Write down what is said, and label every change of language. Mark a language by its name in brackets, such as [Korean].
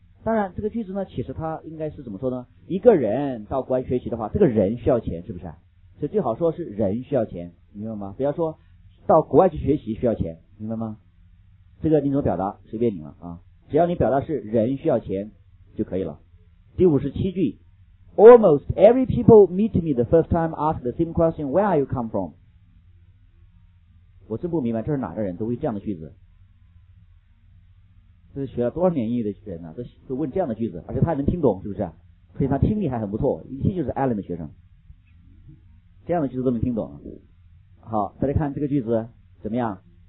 [Chinese] 当然，这个句子呢，其实它应该是怎么说呢？一个人到国外学习的话，这个人需要钱，是不是？所以最好说是人需要钱，明白吗？不要说到国外去学习需要钱，明白吗？这个你怎么表达，随便你了啊。只要你表达是人需要钱就可以了。第57句 [English] ，Almost every people meet me the first time ask the same question, "Where are you come from?" [Chinese] 我真不明白，这是哪个人都会这样的句子。这是学了多少年英语的人啊，都问这样的句子，而且他还能听懂，是不是？所以他听力还很不错，一听就是 Allen 的学生。这样的句子都能听懂。好，再来看这个句子怎么样？